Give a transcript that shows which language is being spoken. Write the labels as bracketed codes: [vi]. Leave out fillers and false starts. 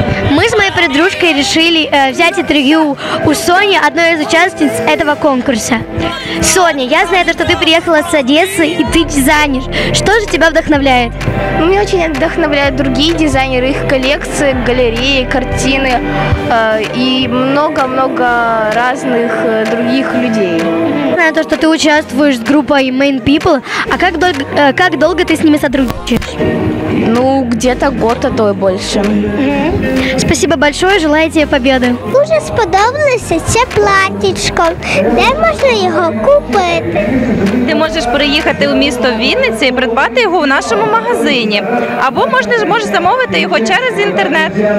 [uk] Ми з моєю подружкою вирішили взяти інтерв'ю у Соні, одної з учасниць цього конкурсу. Соня, я знаю, що ти приїхала з Одеси і ти дизайнер. Що ж тебе вдохновляє? Мені дуже вдохновляють інші дизайнери, їх колекції, галереї, картини і багато-много різних інших людей. Знаю, що ти участвуєш з групою Main People, а як довго ти з ними сотрудничаєш? [ru] Ну, где-то год, а то и больше. Спасибо большое, желаю тебе победы. [uk] Дуже сподобалося це платьечко. Де можна його купити? Ти можеш приїхати у місто Вінниці і придбати його у нашому магазині. Або можеш замовити його через інтернет.